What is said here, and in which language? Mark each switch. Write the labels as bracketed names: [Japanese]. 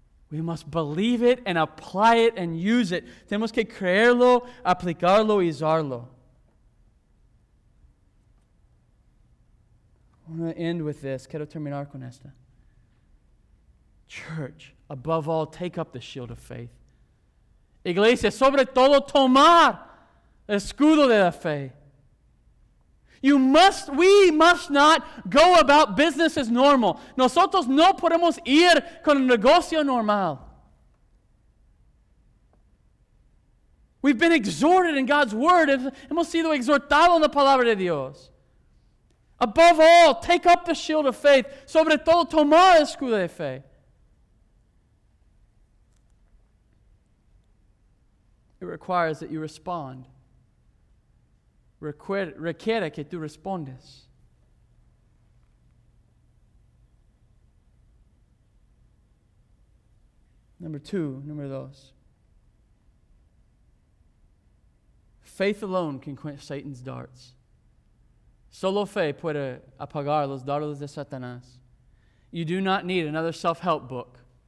[English] We must believe it and apply it and use it. [Spanish] Tenemos que creerlo, aplicarlo y usarlo. [English] I'm going to end with this. [Spanish] Quiero terminar con esta. [English] Church, above all, take up the shield of faith. [Spanish] Iglesia, sobre todo, tomar el escudo de la fe. [English] We must not go about business as normal. [Spanish] Nosotros no podemos ir con el negocio normal. [English] We've been exhorted in God's word. [Spanish] Hemos sido exhortados en la palabra de Dios. [English] Above all, take up the shield of faith. [Spanish] Sobre todo, tomar el escudo de fe. [English] It requires that you respond. [Spanish] Requiere que tú respondes. Número dos. [English] Faith alone can quench Satan's darts. [Spanish] Solo fe puede apagar los dardos de Satanás. [English] You do not need another self-help book.